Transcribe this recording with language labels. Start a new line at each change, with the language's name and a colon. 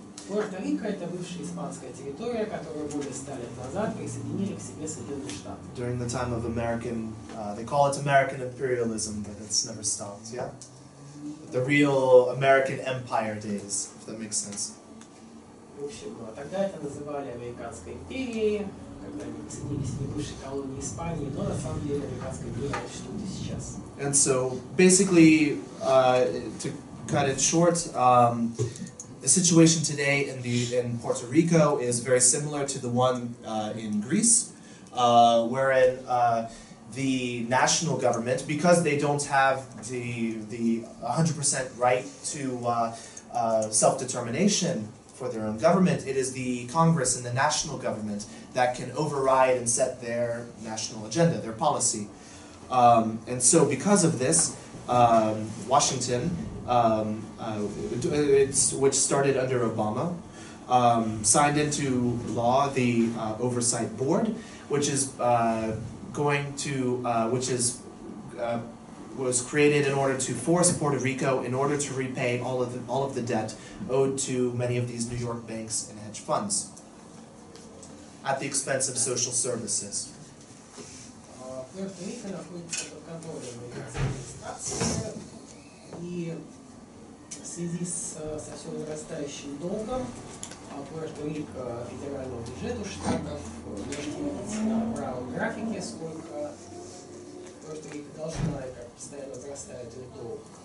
Russian: Пуэрто-Рико – это бывшая испанская территория, которую более 100 лет назад присоединили к себе Соединенные Штаты.
English: During the time of American, they call it American imperialism, but it's never stopped, yeah? The real American empire days, if that makes sense.
Russian: В общем, тогда это называли Американской империей, когда они присоединились к бывшей колонии Испании, но на самом деле Американская империя существует и сейчас.
English: And so, basically, to cut it short, the situation today in Puerto Rico is very similar to the one in Greece, wherein the national government, because they don't have the 100% right to self-determination for their own government, it is the Congress and the national government that can override and set their national agenda, their policy. And so because of this, Washington which started under Obama, signed into law the oversight board, which is going to, which is, was created in order to force Puerto Rico in order to repay all of the debt owed to many of these New York banks and hedge funds at the expense of social services.
Russian: Пуэрто-Рико находится под контролем американской администрации, и в связи со все возрастающим долгом Пуэрто-Рико федерального бюджета штатов, можете видеть на правом графике, сколько Пуэрто-Рико должна и как постоянно возрастает ее долг.